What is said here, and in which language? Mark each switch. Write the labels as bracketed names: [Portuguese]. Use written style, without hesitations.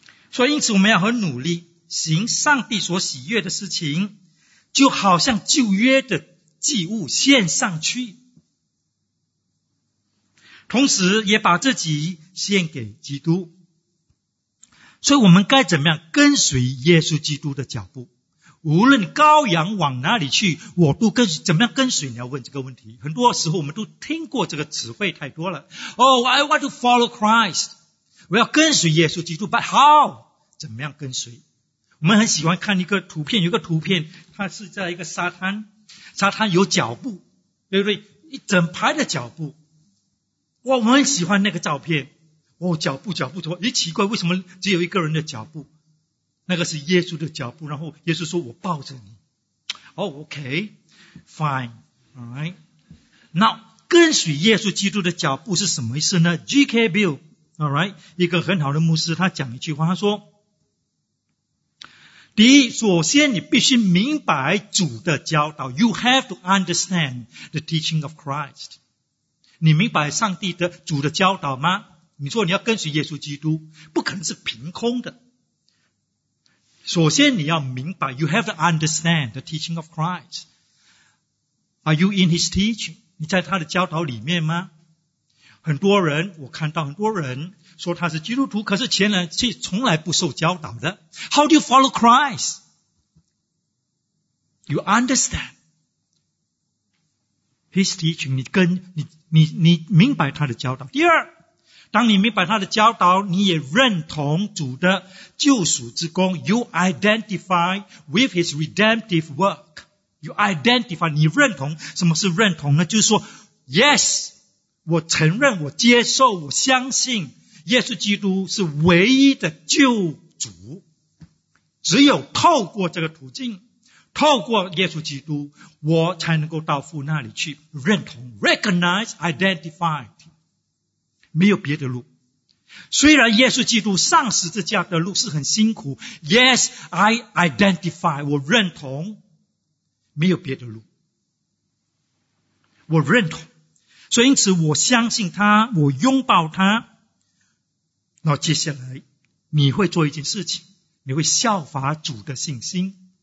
[Chinese] 所以因此我们要很努力行上帝所喜悦的事情，就好像旧约的祭物献上去，同时也把自己献给基督。所以我们该怎么样跟随耶稣基督的脚步？无论羔羊往哪里去，我都跟随。怎么样跟随？你要问这个问题。很多时候我们都听过这个词汇太多了。 [English] I want to follow Christ， [Chinese] 我要跟随耶稣基督。 [English] But how？ [Chinese] 怎么样跟随？我们很喜欢看一个图片，有一个图片，它是在一个沙滩有脚步，对不对？一整排的脚步。哇，我很喜欢那个照片。哦，脚步，奇怪，为什么只有一个人的脚步？那个是耶稣的脚步，然后耶稣说我抱着你。 [English] Oh, okay, fine, alright. [Chinese] Now, 跟随耶稣基督的脚步是什么意思呢？ G.K. Bill, alright, 一个很好的牧师，他讲一句话，他说，第一，首先你必须明白主的教导。 [English] You have to understand the teaching of Christ. [Chinese] 你明白上帝的主的教导吗？你说你要跟随耶稣基督，不可能是凭空的。首先你要明白 [English] ，you have to understand the teaching of Christ. Are you in His teaching? [Chinese] 你在他的教导里面吗？很多人，我看到很多人说他是基督徒，可是前人却从来不受教导的。 [English] How do you follow Christ? You understand His teaching. [Chinese] 你明白他的教导。第二，当你明白他的教导，你也认同主的救赎之功。 [English] You identify with His redemptive work. You identify. [Chinese] 你认同什么是认同呢？就是说 ，Yes, 我承认，我接受，我相信耶稣基督是唯一的救主。只有透过这个途径，透过耶稣基督，我才能够到父那里去。 [English] 认同 ，recognize, identify. [Chinese] 没有别的路。虽然耶稣基督上十字架的路是很辛苦 ， [English] Yes, I identify， [Chinese] 我认同，没有别的路，我认同。所以因此，我相信他，我拥抱他。那接下来，你会做一件事情，你会效法主的信心。